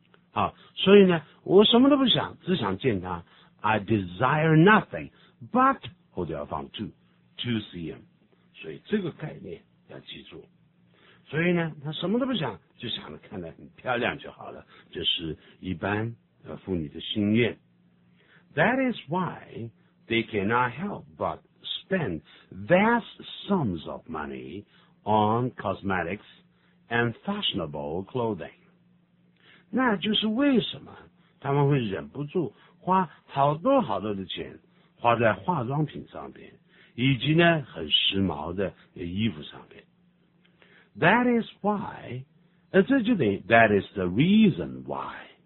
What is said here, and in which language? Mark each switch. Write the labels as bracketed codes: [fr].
[zh] 好，所以呢我什么都不想，只想见他 [en] I desire nothing but [zh] 后面要放 [en] to see him， [zh] 所以这个概念要记住。所以呢他什么都不想，就想着看得很漂亮就好了，这是一般妇女的心愿。 [en] That is why they cannot help but spend vast sums of moneyon cosmetics and fashionable clothing. [zh] 那就是为什么他们会忍不住花好多好多的钱花在化妆品上面，以及呢很时髦的衣服上面。 [en] That is why, [zh] 这就得 [en] that is the reason why.